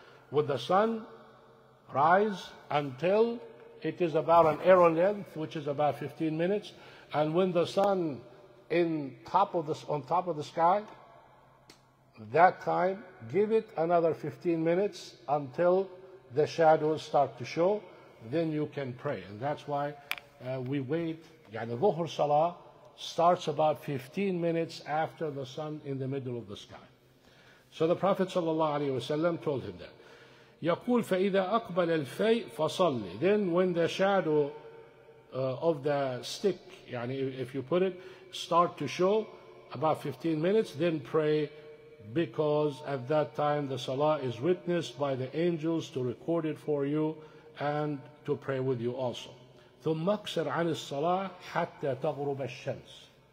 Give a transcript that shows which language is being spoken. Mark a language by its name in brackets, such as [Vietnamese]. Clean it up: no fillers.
[English] When the sun rise until it is about an arrow length, which is about 15 minutes, and when the sun on top of the sky, that time, give it another 15 minutes until the shadows start to show, then you can pray. And that's why we wait. Yani Dhuhr Salah starts about 15 minutes after the sun in the middle of the sky. So the Prophet sallallahu alaihi wasallam told him that. [Arabic] يقول فإذا أقبل الفيء فصلي. [English] Then when the shadow of the stick, يعني if you put it, start to show about 15 minutes, then pray, because at that time the salah is witnessed by the angels to record it for you and to pray with you also. [Arabic] ثم أقصر عن الصلاة حتى تغرب الشمس.